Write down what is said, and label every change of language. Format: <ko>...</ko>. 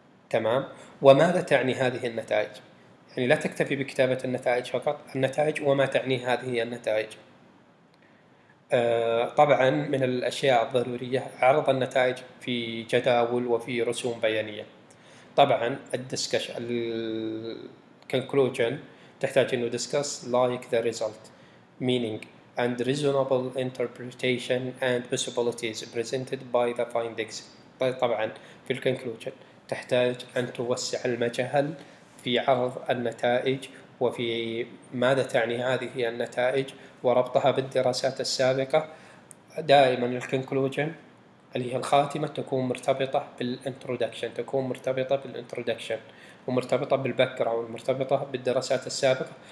<ar>تمام, وماذا تعني هذه النتائج, يعني لا تكتفي بكتابة النتائج فقط, النتائج وما تعني هذه النتائج. طبعا من الاشياء الضرورية عرض النتائج في جداول وفي رسوم بيانية. طبعا الconclusion تحتاج انه</ar> <en>discuss like the result meaning and reasonable interpretation and possibilities presented by the findings.</en> <ar>طبعا في الconclusion تحتاج ان توسع المجال في عرض النتائج وفي ماذا تعني هذه النتائج وربطها بالدراسات السابقة. دائما الconclusion اللي هي الخاتمة تكون مرتبطة بالانترودكشن, ومرتبطة بالباكجراوند, مرتبطة بالدراسات السابقة.</ar>